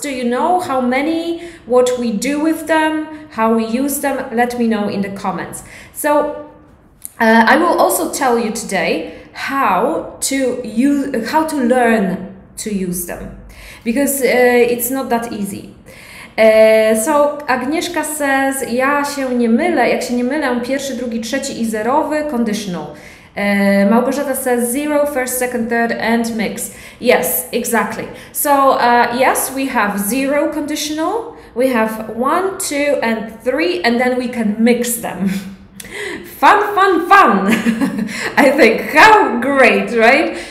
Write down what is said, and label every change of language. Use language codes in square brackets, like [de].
[en] Do you know how many, what we do with them, how we use them? Let me know in the comments. So I will also tell you today how to learn to use them, because it's not that easy. So Agnieszka says, [pl] ja się nie mylę, jak się nie mylę, pierwszy, drugi, trzeci i zerowy conditional. [en] Małgorzata says, zero, first, second, third and mix. Yes, exactly. So yes, we have zero conditional, we have one, two and three, and then we can mix them. Fun, fun, fun! I think, how great, right?